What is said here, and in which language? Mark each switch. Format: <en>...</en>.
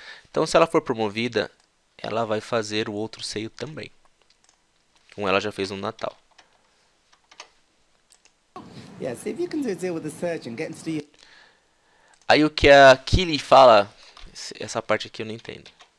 <pt>Então, se ela for promovida, ela vai fazer o outro seio também. Como ela já fez no Natal.</pt> <en>Yeah, see if you can do a deal with the surgeon, get him to do your.</en> <pt>Aí o que a Kili fala, essa parte aqui eu não entendo.</pt>